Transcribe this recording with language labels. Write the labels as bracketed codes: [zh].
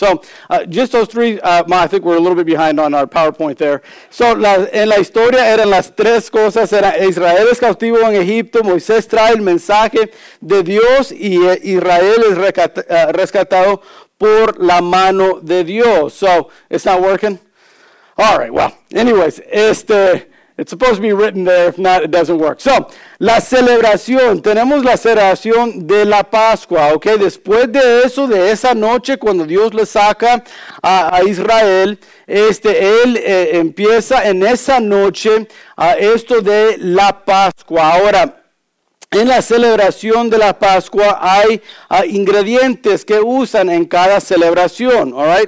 [en] So, just those three, I think we're a little bit behind on our PowerPoint there. [es] So, en la historia eran las tres cosas: era Israel es cautivo en Egipto, Moisés trae el mensaje de Dios, y Israel es rescatado por la mano de Dios. [en] So, it's not working? All right, well, anyways, it's supposed to be written there. If not, it doesn't work. [es] So, la celebración. Tenemos la celebración de la Pascua, ¿ok? Después de eso, de esa noche, cuando Dios le saca a Israel, él empieza en esa noche a esto de la Pascua. Ahora, en la celebración de la Pascua hay ingredientes que usan en cada celebración, ¿all right?